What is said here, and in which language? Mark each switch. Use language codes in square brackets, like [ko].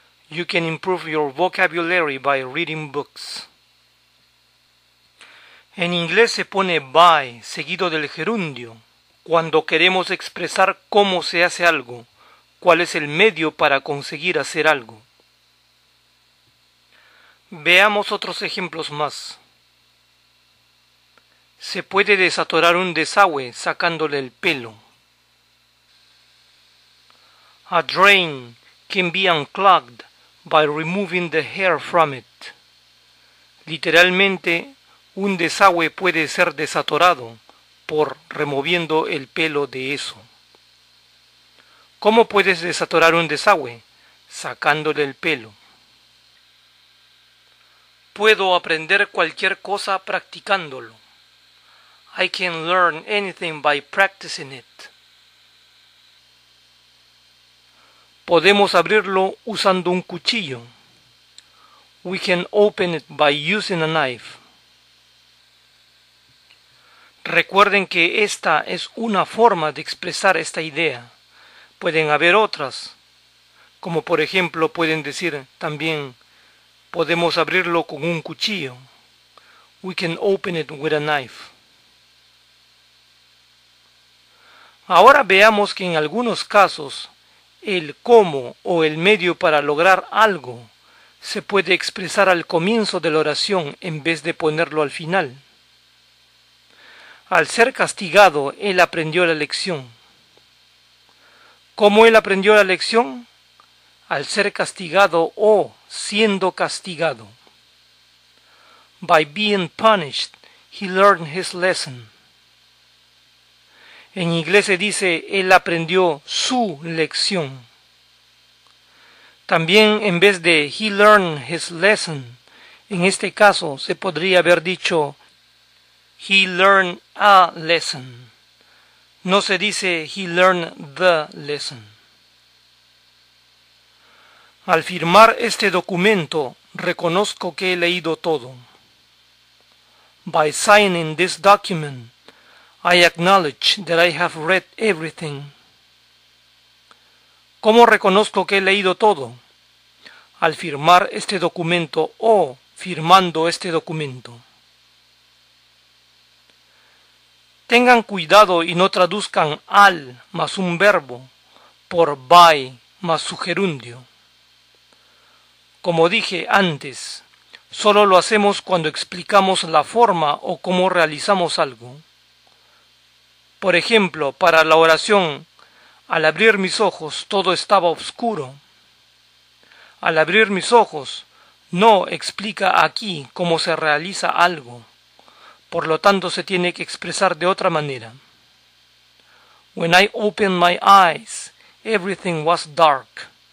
[en] You can improve your vocabulary by reading books. [es] En inglés se pone by seguido del gerundio cuando queremos expresar cómo se hace algo, cuál es el medio para conseguir hacer algo. Veamos otros ejemplos más. Se puede desatorar un desagüe sacándole el pelo. [en] A drain can be unclogged by removing the hair from it. [es] Literalmente, un desagüe puede ser desatorado por removiendo el pelo de eso. ¿Cómo puedes desatorar un desagüe? Sacándole el pelo. Puedo aprender cualquier cosa practicándolo. [en] I can learn anything by practicing it. [es] Podemos abrirlo usando un cuchillo. [en] We can open it by using a knife. [es] Recuerden que esta es una forma de expresar esta idea. Pueden haber otras, como por ejemplo pueden decir también, podemos abrirlo con un cuchillo. [en] We can open it with a knife. [es] Ahora veamos que en algunos casos, el cómo o el medio para lograr algo se puede expresar al comienzo de la oración en vez de ponerlo al final. Al ser castigado, él aprendió la lección. ¿Cómo él aprendió la lección? Al ser castigado o siendo castigado. [en] By being punished, he learned his lesson. [es] En inglés se dice, él aprendió su lección. También en vez de [en] he learned his lesson, [es] en este caso se podría haber dicho [en] he learned a lesson. [es] No se dice [en] he learned the lesson. [es] Al firmar este documento, reconozco que he leído todo. [en] By signing this document, I acknowledge that I have read everything. [es] ¿Cómo reconozco que he leído todo? Al firmar este documento o firmando este documento. Tengan cuidado y no traduzcan al más un verbo por by más su gerundio. Como dije antes, solo lo hacemos cuando explicamos la forma o cómo realizamos algo. Por ejemplo, para la oración, al abrir mis ojos todo estaba oscuro. Al abrir mis ojos, no explica aquí cómo se realiza algo. Por lo tanto, se tiene que expresar de otra manera. [en] When I opened my eyes, everything was dark.